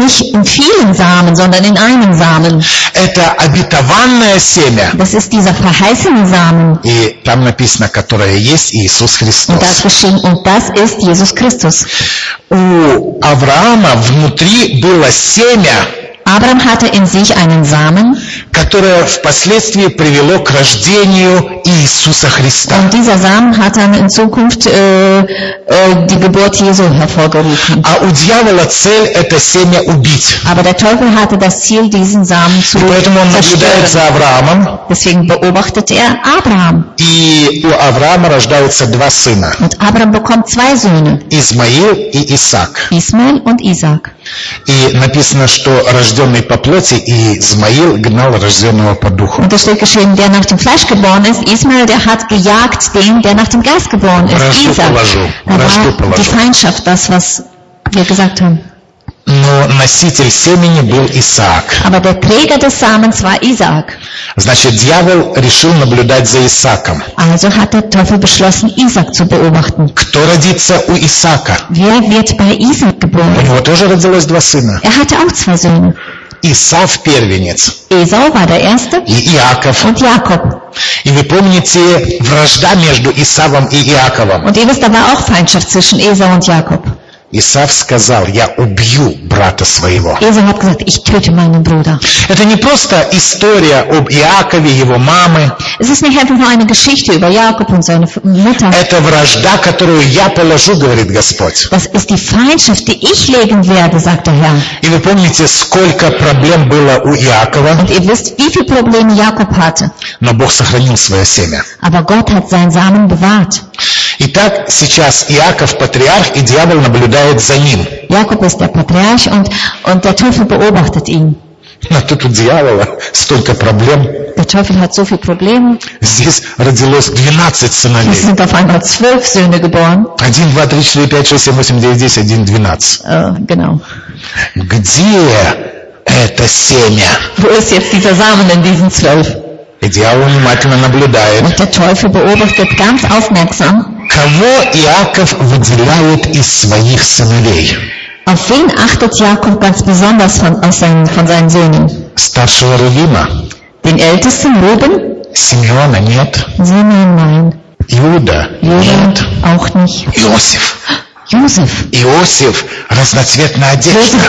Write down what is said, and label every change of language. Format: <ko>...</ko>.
<de>Nicht in vielen Samen, sondern in einem Samen.</de> <ru>Это обетованное семя.</ru> <de>Das ist dieser verheißene Samen.</de> <ru>И там написано, которое есть Иисус Христос.</ru> <de>Und das geschehen, und das ist Jesus Christus.</de> <ru>У Авраама внутри было семя.</ru> <de>Abraham hatte in sich einen Samen,</de> <ru>которое впоследствии привело к рождению Иисуса Христа.</ru> <de>Und dieser Samen hat dann in Zukunft die Geburt Jesu hervorgerufen.</de> <ru>А у дьявола цель это семя убить.</ru> <de>Aber der Teufel hatte das Ziel, diesen Samen zu zerstören.</de> <ru>Поэтому он наблюдает за Авраамом.</ru> <de>Deswegen beobachtet er Abraham.</de> <ru>И у Авраама рождаются два сына.</ru> <de>Und Abraham bekommt zwei Söhne.</de> <ru>Исмаил и Исаак.</ru> <de>Исмаил und Исаак.</de> <ru>И написано, что рожденный по плоти и Измаил гнал рожденного по духу.</ru> <de>Und es steht geschrieben, der nach dem Fleisch geboren ist, Ismael, der hat gejagt den, der nach dem Geist geboren ist, Исаак.</de> <ru>Вражду положу.</ru> <de>Die Feindschaft, das was wir gesagt haben.</de> <ru>Но носитель семени был Исаак.</ru> <de>Aber der Träger des Samens war Isaac.</de> <ru>Значит, дьявол решил наблюдать за Исааком.</ru> <de>Also hat der Teufel beschlossen, Isaac zu beobachten.</de> <ru>Кто родится у Исаака?</ru> <de>Wer wird bei Isaac geboren?</de> <ru>У него тоже родилось два сына.</ru> <de>Er hatte auch zwei Söhne.</de> <ru>Исав первенец.</ru> <de>Исав war der erste.</de> <ru>И Иаков.</ru> <de>Und Jakob.</de> <ru>И вы помните вражда между Исавом и Иаковом?</ru> <de>Und ihr wisst, da war auch Feindschaft zwischen Esau und Jakob.</de> <ru>Исав сказал, я убью брата своего.</ru> <de>Исав</de> <ru>сказал,</ru> <de>ich töte meinen Bruder.</de> <ru>Это не просто история об Иакове, его маме.</ru> <de>Es ist nicht einfach nur eine Geschichte über Jakob und seine Mutter.</de> <ru>Это вражда, которую я положу, говорит Господь.</ru> <de>Das ist die Feindschaft, die ich legen werde, sagt der Herr.</de> <ru>И вы помните, сколько проблем было у Иакова.</ru> <de>Und ihr wisst, wie viele Probleme Jakob hatte.</de> <ru>Но Бог сохранил свое семя.</ru> <de>Aber Gott hat seinen Samen bewahrt.</de> <ru>Итак, сейчас Иаков патриарх, и дьявол наблюдает за ним.</ru> <de>Jakob ist der Patriarch und der Teufel beobachtet ihn.</de> <ru>А тут у дьявола столько проблем.</ru> <de>Der Teufel hat so viele Probleme.</de> <ru>Здесь родилось 12 сыновей.</ru> <de>Hier sind auf einmal 12 Söhne geboren.</de> <ru>1, 2, 3, 4, 5, 6, 7, 8, 9, 10, 1, 12.</ru> <de>Genau.</de> <ru>Где это семя?</ru> <de>Wo ist jetzt dieser Samen in diesen 12?</de> <ru>И дьявол внимательно наблюдает.</ru> <de>Und der Teufel beobachtet ganz aufmerksam.</de> <ru>Кого Иаков выделяет из своих сыновей?</ru> <de>Auf wen achtet Jakob ganz besonders von seinen Söhnen?</de> <ru>Старшего Рувима.</ru> <de>Den ältesten Ruben?</de> <ru>Симеона нет.</ru> <de>Симеон nein.</de> <ru>Иуда нет.</ru> <de>Auch nicht.</de> <ru>Иосиф.</ru> <de>Josef.</de> <ru>Иосиф разноцветная одежда.</ru>